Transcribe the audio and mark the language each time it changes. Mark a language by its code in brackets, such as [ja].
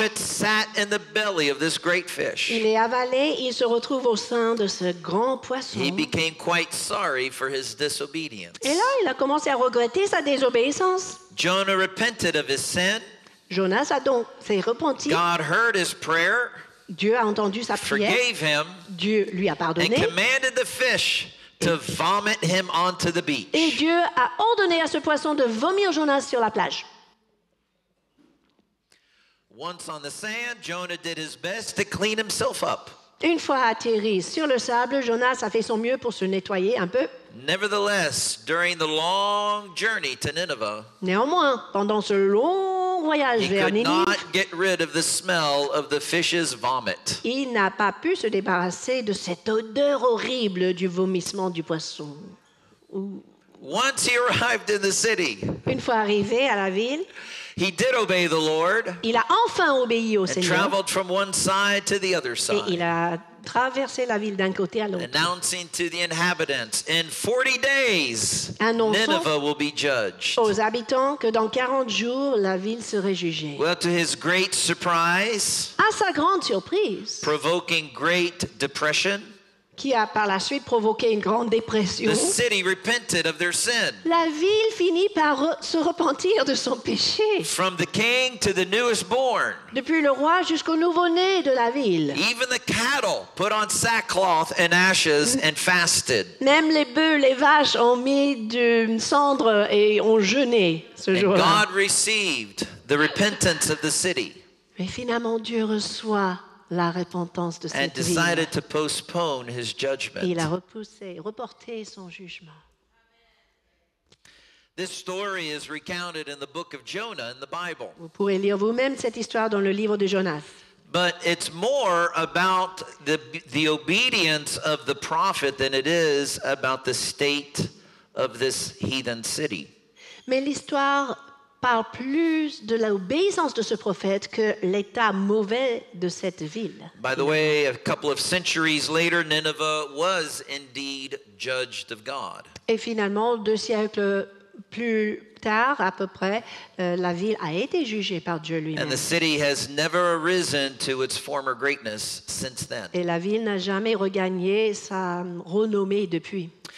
[en] And as the prophet sat in the belly of this great fish, [fr] il est avalé, il se retrouve au sein de ce grand poisson. [en] He became quite sorry for his disobedience. [fr] Et là, il a commencé à regretter sa désobéissance. [en] Jonah repented of his sin. [fr] Jonas a donc s'est repenti. [en] God heard his prayer. [fr] Dieu a entendu sa prière. [en] Forgave him. [fr] Dieu lui a pardonné. [en] And commanded the fish to vomit him onto the beach. [fr] Et Dieu a ordonné à ce poisson de vomir Jonas sur la plage. [en] Once on the sand, Jonah did his best to clean himself up. [fr] Une fois atterri sur le sable, Jonas a fait son mieux pour se nettoyer un peu. [en] Nevertheless, during the long journey to Nineveh, [fr] néanmoins, pendant ce long voyage vers Ninive, [en] he could not get rid of the smell of the fish's vomit. [fr] Il n'a pas pu se débarrasser de cette odeur horrible du vomissement du poisson. [en] Once he arrived in the city, [fr] une fois arrivé à la ville, [en] he did obey the Lord. [fr] Il a enfin obéi au Seigneur. [en] And traveled from one side to the other side. [fr] Et il a traversé la ville d'un côté à l'autre. [en] Announcing to the inhabitants, in 40 days, Nineveh will be judged. [fr] Aux habitants que dans 40 jours la ville serait jugée. [en] Well, to his great surprise, [fr] à sa grande surprise, [en] provoking great depression, [fr] qui a par la suite provoqué une grande dépression. [en] The city repented of their sin. [fr] La ville finit par se repentir de son péché. [en] From the king to the newest born. [fr] Depuis le roi jusqu'au nouveau-né de la ville. [en] Even the cattle put on sackcloth and ashes and fasted. [fr] Même les bœufs, les vaches ont mis du cendre et ont jeûné ce [en] and [fr] jour-là. [en] God received the repentance of the city. [fr] Mais finalement Dieu reçoit la repentance de cette [en] and [fr] ville. [en] Decided to postpone his judgment. [fr] Il a repoussé, reporté son jugement. [en] This story is recounted in the book of Jonah in the Bible. [fr] Vous pourrez lire vous-même cette histoire dans le livre de Jonas. [en] But it's more about the obedience of the prophet than it is about the state of this heathen city. [fr] Mais l'histoire parle plus de l'obéissance de ce prophète que l'état mauvais de cette ville. [en] By the way, a couple of centuries later, Nineveh was indeed judged of God. [fr] Et finalement, deux siècles plus tard, à peu près, la ville a été jugée par Dieu lui-même. [en] And the city has never arisen to its former greatness since then. [fr] Et la ville n'a jamais regagné sa renommée depuis.